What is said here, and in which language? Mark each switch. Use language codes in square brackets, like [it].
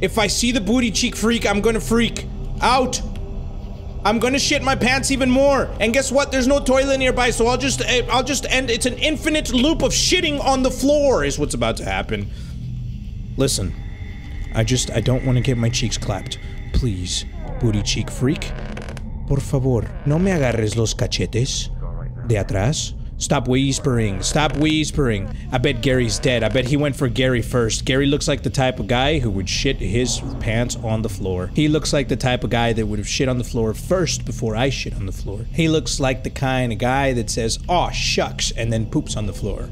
[en] If I see the booty cheek freak, I'm gonna freak out. I'm gonna shit my pants even more. And guess what? There's no toilet nearby, so I'll just end. It's an infinite loop of shitting on the floor is what's about to happen. Listen, I don't want to get my cheeks clapped. Please, booty cheek freak. [es] Por favor, no me agarres los cachetes de atrás. [en] Stop whispering, stop whispering. I bet Gary's dead. I bet he went for Gary first. Gary looks like the type of guy who would shit his pants on the floor. He looks like the type of guy that would have shit on the floor first before I shit on the floor. He looks like the kind of guy that says, aw, shucks, and then poops on the floor.